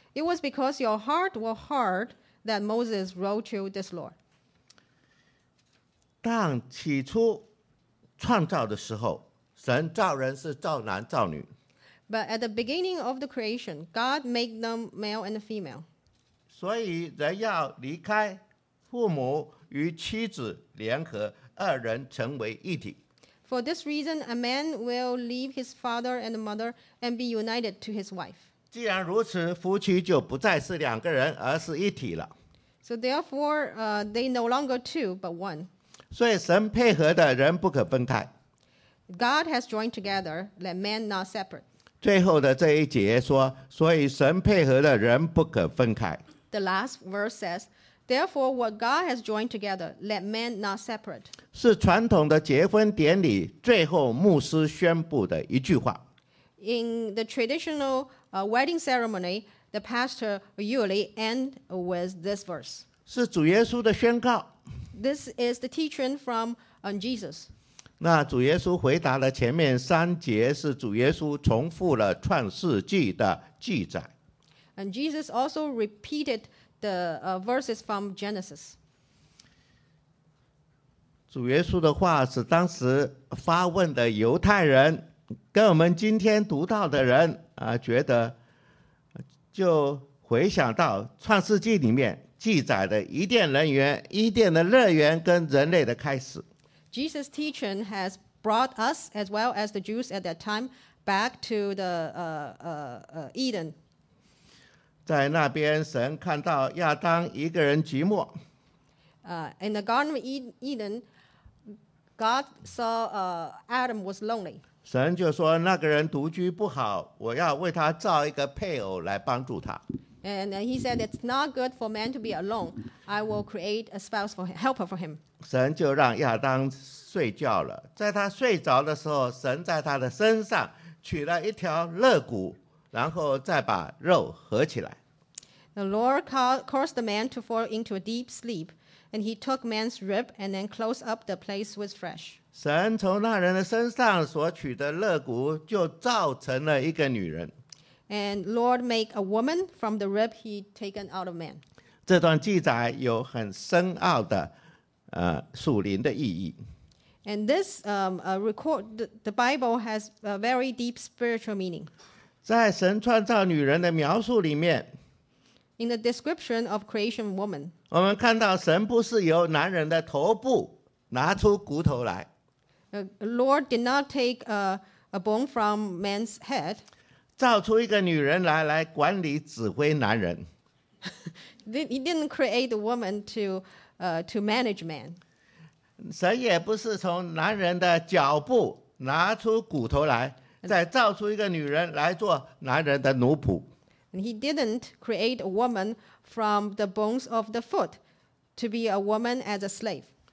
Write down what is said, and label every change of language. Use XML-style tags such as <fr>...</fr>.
<en>It was because your heart were hard that Moses wrote you this law.</en> <zh>但起初创造的时候，神造人是造男造女。</zh> <en>But at the beginning of the creation, God made them male and female.</en> <zh>所以人要离开父母与妻子联合，二人成为一体。</zh> <en>For this reason, a man will leave his father and mother and be united to his wife.</en> <zh>既然如此，夫妻就不再是两个人，而是一体了。</zh> <en>So therefore, they no longer two, but one.</en> <zh>所以神配合的人不可分开。</zh> <en>God has joined together, let man not separate.</en> <zh>最后的这一节说，所以神配合的人不可分开。</zh> <en>The last verse says, therefore what God has joined together, let man not separate.</en> <zh>是传统的结婚典礼最后牧师宣布的一句话。</zh> <en>In the traditional wedding ceremony, the pastor usually end with this verse.</en> <zh>是主耶稣的宣告。</zh> <en>This is the teaching from Jesus.</en> <zh>那主耶稣回答的前面三节是主耶稣重复了创世纪的记载。</zh> <en>And Jesus also repeated the verses from Genesis.</en> <zh>主耶稣的话是当时发问的犹太人跟我们今天读到的人觉得就回想到创世纪里面记载的伊甸乐园，伊甸的乐园跟人类的开始。</zh> <en>Jesus' teaching has brought us, as well as the Jews at that time, back to the Eden.</en> <zh>在那边神看到亚当一个人寂寞。</zh> <en>In the Garden of Eden, God saw Adam was lonely.</en> <zh>神就说那个人独居不好，我要为他造一个配偶来帮助他。</zh> <en>And he said it's not good for man to be alone. I will create a spouse for him, helper for him.</en> <zh>神就让亚当睡觉了，在他睡着的时候，神在他的身上取了一条肋骨，然后再把肉合起来。</zh> <en>The Lord caused the man to fall into a deep sleep, and he took man's rib and then closed up the place with flesh.</en> <zh>神从那人的身上所取的肋骨就造成了一个女人。</zh> <en>And Lord make a woman from the rib he taken out of man.</en> <zh>这段记载有很深奥的属灵的意义。</zh> <en>And this record, the Bible has a very deep spiritual meaning.</en> <zh>在神创造女人的描述里面，</zh> <en>In the description of creation of woman,</en> <zh>我们看到神不是由男人的头部拿出骨头来。</zh> <en>Lord did not take a bone from man's head.</en> <zh>造出一个女人来管理指挥男人。</zh> <en>He didn't create a woman to manage man.</en> <zh>神也不是从男人的脚部拿出骨头来，再造出一个女人来做男人的奴仆。</zh> <en>And he didn't create a woman from the bones of the foot to be a woman as a slave.</en>